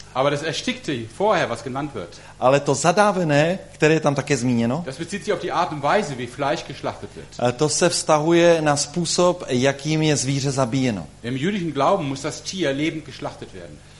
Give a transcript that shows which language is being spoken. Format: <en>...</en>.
<de>Aber das erstickte vorher, was genannt wird.</de> <cs>Ale to zadávené, které je tam také zmíněno.</cs> <de>Das bezieht sich auf die Art und Weise, wie Fleisch geschlachtet wird.</de> <cs>To se vztahuje na způsob, jakým je zvíře zabíjeno.</cs> <de>Im jüdischen Glauben muss das Tier lebend geschlachtet werden.</de>